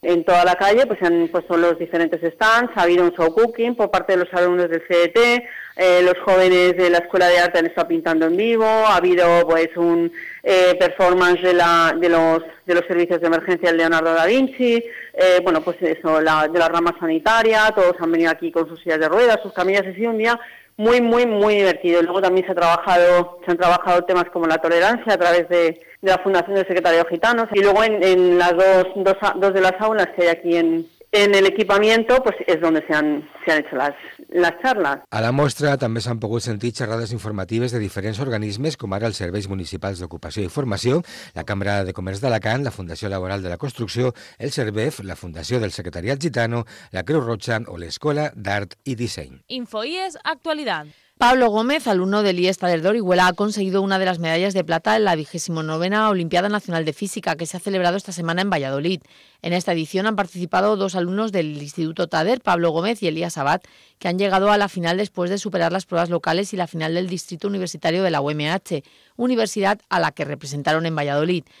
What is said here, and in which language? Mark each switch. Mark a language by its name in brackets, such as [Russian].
[Spanish] En toda la calle pues han puesto los diferentes stands, ha habido un show cooking por parte de los alumnos del CDT, los jóvenes de la Escuela de Arte han estado pintando en vivo, ha habido pues un performance de los servicios de emergencia del Leonardo da Vinci, bueno, pues eso, de la rama sanitaria, todos han venido aquí con sus sillas de ruedas, sus camillas, ha sido un día muy, muy, muy divertido. Luego también se han trabajado temas como la tolerancia a través de la Fundación del Secretario Gitanos. Y luego en las dos de las aulas que hay aquí en el equipamiento, pues es donde se han hecho las charlas. [Catalan] A la mostra també s'han pogut sentir xerrades informatives de diferents organismes, com ara els Serveis Municipals d'Ocupació i Formació, la Cambra de Comerç d'Alacant, la Fundació Laboral de la Construcció, el CERVEF, la Fundació del Secretariat Gitano, la Creu Roja o l'Escola d'Art i Disseny. [Spanish] InfoIES Actualidad. Pablo Gómez, alumno del IES Tader de Orihuela, ha conseguido una de las medallas de plata en la 29ª Olimpiada Nacional de Física, que se ha celebrado esta semana en Valladolid. En esta edición han participado dos alumnos del Instituto Tader, Pablo Gómez y Elías Abad, que han llegado a la final después de superar las pruebas locales y la final del Distrito Universitario de la UMH, universidad a la que representaron en Valladolid.